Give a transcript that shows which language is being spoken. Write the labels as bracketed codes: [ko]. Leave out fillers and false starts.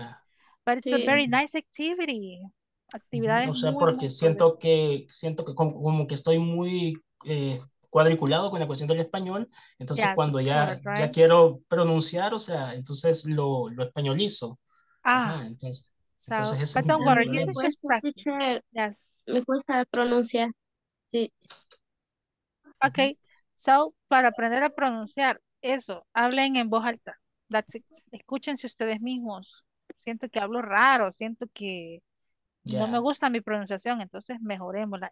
[en] Yeah. But it's sí, a very nice activity. Actividades. [es] O sea, porque siento que como que estoy muy cuadriculado con la cuestión del español, entonces yeah, cuando ya, claro, right, ya quiero pronunciar, o sea, entonces lo españolizo. Ah, ajá, entonces. [en] So, but don't worry, this is just practice. Yes. [es] Me cuesta pronunciar. Sí. [en] Okay. [es] So, para aprender a pronunciar, eso, hablen en voz alta. [en] That's it. [es] Escúchense ustedes mismos. Siento que hablo raro, siento que yeah, no me gusta mi pronunciación, entonces mejorémosla.